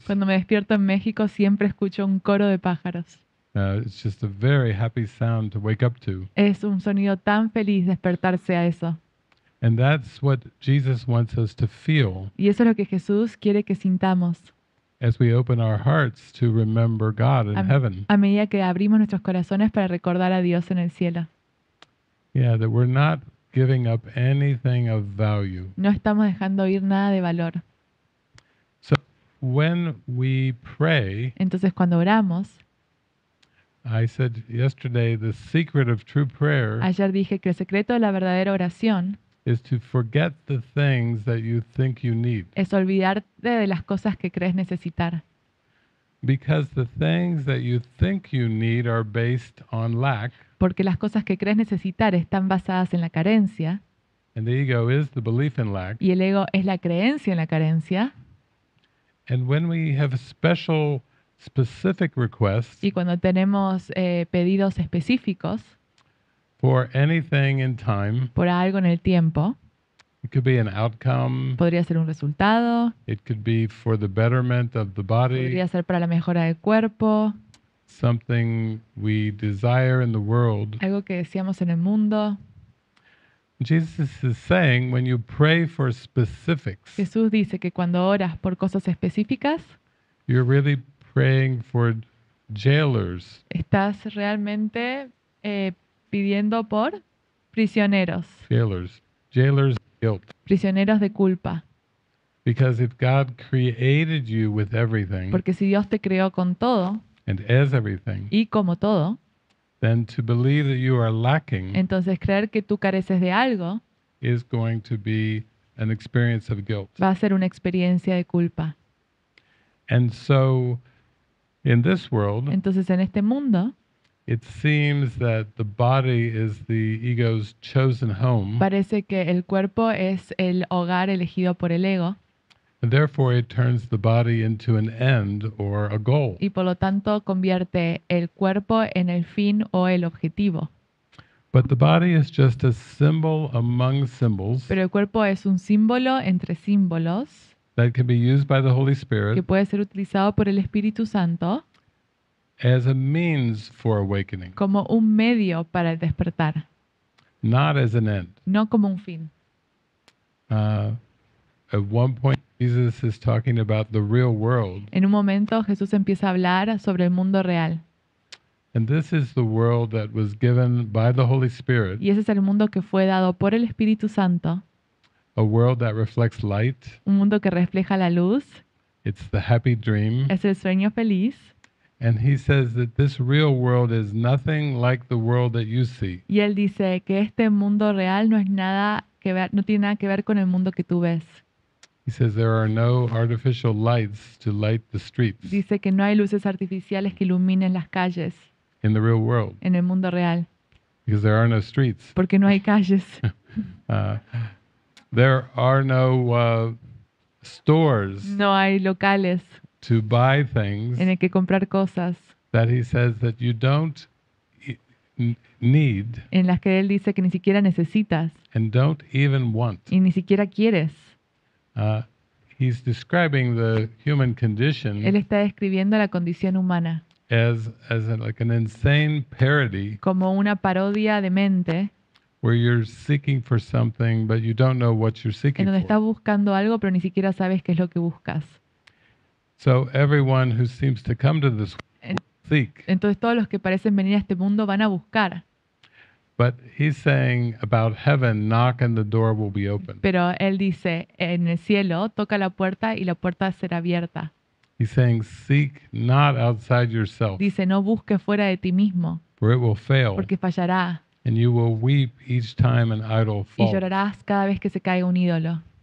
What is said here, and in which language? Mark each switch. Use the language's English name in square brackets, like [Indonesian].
[Spanish] Cuando me despierto en México, siempre escucho un coro de pájaros. [English] It's just a very happy sound to wake up to. [Spanish] Es un sonido tan feliz despertarse a eso. [English] And that's what Jesus wants us to feel. [Spanish] Y eso es lo que Jesús quiere que sintamos. [English] As we open our hearts to remember God in heaven. [Spanish] A medida que abrimos nuestros corazones para recordar a Dios en el cielo. [English] Yeah, that we're not giving up anything of value. [Spanish] No estamos dejando ir nada de valor. [English] So when we pray, [Spanish] entonces cuando oramos, [English] I said yesterday the secret of true prayer, [Spanish] ayer dije que el secreto de la verdadera oración, [English] is to forget the things that you think you need. [Spanish] Es olvidarte de las cosas que crees necesitar. [English] Because the things that you think you need are based on lack. [Spanish] Porque las cosas que crees necesitar están basadas en la carencia. [English] And the ego is the belief in lack. [Spanish] Y el ego es la creencia en la carencia. [English] And when we have special, specific requests, [Spanish] y cuando tenemos pedidos específicos [English] for anything in time, [Spanish] por algo en el tiempo, [English] it could be an outcome, [Spanish] podría ser un resultado, [English] it could be for the betterment of the body, [Spanish] podría ser para la mejora del cuerpo, [English] something we desire in the world. [Spanish] Algo que deseamos en el mundo. [English] Jesus is saying when you pray for specifics, [Spanish] Jesús dice que cuando oras por cosas específicas, [English] you're really praying for jailers. [Spanish] Estás realmente pidiendo por prisioneros. [English] Jailers. Jailers of guilt. [Spanish] Prisioneros de culpa. [English] Because if God created you with everything, [Spanish] porque si Dios te creó con todo, [English] and as everything, [Spanish] y como todo, [English] then to believe that you are lacking, [Spanish] entonces creer que tú careces de algo, [English] is going to be an experience of guilt. [Spanish] Va a ser una experiencia de culpa. [English] And so, in this world, [Spanish] entonces en este mundo, [English] it seems that the body is the ego's chosen home. [Spanish] Parece que el cuerpo es el hogar elegido por el ego. [English] And therefore, it turns the body into an end or a goal. [Spanish] Y por lo tanto, convierte el cuerpo en el fin o el objetivo. [English] But the body is just a symbol among symbols. [Spanish] Pero el cuerpo es un símbolo entre símbolos. [English] That can be used by the Holy Spirit. [Spanish] Que puede ser utilizado por el Espíritu Santo. [English] As a means for awakening. [Spanish] Como un medio para despertar. [English] Not as an end. [Spanish] No como un fin. [English] At one point, Jesus is talking about the real world. [Spanish] En un momento Jesús empieza a hablar sobre el mundo real. [English] And this is the world that was given by the Holy Spirit. [Spanish] Y ese es el mundo que fue dado por el Espíritu Santo. [English] A world that reflects light. [Spanish] Un mundo que refleja la luz. [English] It's the happy dream. [Spanish] Es el sueño feliz. [English] And he says that this real world is nothing like the world that you see. [Spanish] Y él dice que este mundo real no es nada que ver, no tiene nada que ver con el mundo que tú ves. [English] He says there are no artificial lights to light the streets. [Spanish] Dice que no hay luces artificiales que iluminen las calles. [English] In the real world. [Spanish] En el mundo real. [English] Because there are no streets. [Spanish] Porque no hay calles. [English] There are no stores. [Spanish] No hay locales. [English] To buy things. [Spanish] En el que comprar cosas. [English] That he says that you don't need. [Spanish] En las que él dice que ni siquiera necesitas. [English] And don't even want. [Spanish] Y ni siquiera quieres. [English] He's describing the human condition. [Spanish] Él está describiendo la condición humana. [English] As an insane parody. [Spanish] Como una parodia de mente. [English] Where you're seeking for something, but you don't know what you're seeking for. [Spanish] En donde estás buscando algo, pero ni siquiera sabes qué es lo que buscas. [English] So everyone who seems to come to this world seek. [Spanish] Entonces todos los que parecen venir a este mundo van a buscar. [English] But he's saying about heaven, knock and the door will be open. [Spanish] Pero él dice, en el cielo, toca la puerta y la puerta será abierta. [English] He's saying, seek not outside yourself. [Spanish] Dice, no busque fuera de ti mismo. [English] For it will fail. [Spanish] Porque fallará. [English] And you will weep each time an idol falls. [Spanish] Y llorarás cada vez que se caiga un ídolo.